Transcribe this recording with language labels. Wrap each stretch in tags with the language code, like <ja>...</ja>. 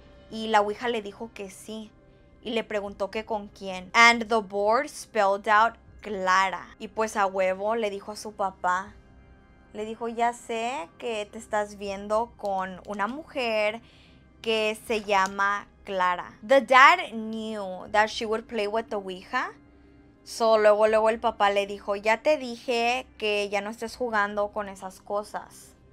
<es>Y la ouija le dijo que sí. Y le preguntó que con quién.</es> <en>And the board spelled out Clara.</en> <es>Y pues a huevo le dijo a su papá. Le dijo, ya sé que te estás viendo con una mujer que se llama Clara.</es> <en>The dad knew that she would play with the ouija.</en> <es>So luego el papá le dijo, ya te dije que ya no estés jugando con esas cosas.</es>